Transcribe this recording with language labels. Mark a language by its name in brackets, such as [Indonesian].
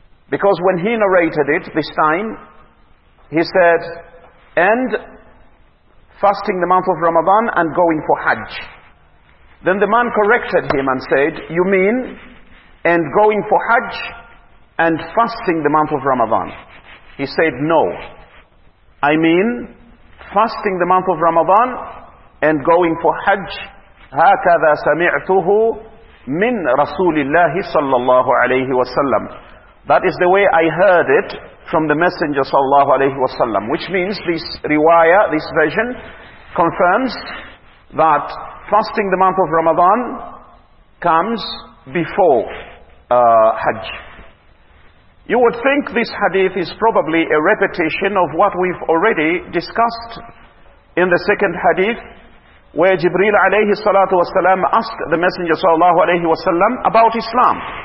[English] Because when he narrated it this time, he said, and fasting the month of Ramadan and going for Hajj. Then the man corrected him and said, you mean and going for Hajj and fasting the month of Ramadan? He said, no, I mean fasting the month of Ramadan and going for Hajj. [Arabic] هكذا سمعته من رسول الله صلى الله عليه وسلم. [English] That is the way I heard it from the Messenger صلى الله عليه وسلم. Which means this riwayah, this version, confirms that fasting the month of Ramadan comes before Hajj. You would think this hadith is probably a repetition of what we've already discussed in the second hadith, where Jibreel alayhi salatu wasalam asked the Messenger sallallahu alayhi wasalam about Islam.